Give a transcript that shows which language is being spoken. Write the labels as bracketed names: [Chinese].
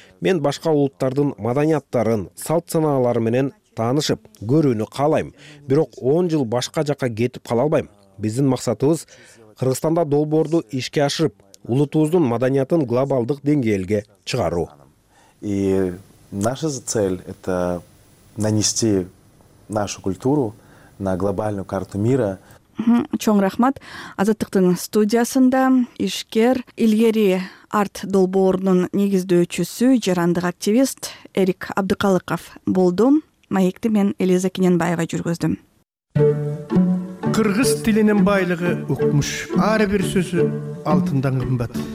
[Kyrgyz] Мен башка улуттардын маданияттарын, салт-санаалары менен таанышып, көрүүнү каалайм. Бирок 10 жыл башка жака кетип кала албайм. Биздин максатыбыз Кыргызстанда долбоорду ишке ашырып, улутубуздун маданиятын глобалдык деңгээлге чыгаруу. [Russian] И наша цель это нанести нашу культуру на глобальную карту мира. [Kyrgyz] Чоң рахмат. Азаттыктын студиясында ишкер, илгери арт долбоорунун негиздөөчүсү, жарандык активист Эрик Абдыкалыков болду. Маекти мен Элиза Кененбаева жүргүздүм. Кыргыз тилинин байлыгы укмуш, ар бир сөзү алтындан кымбат.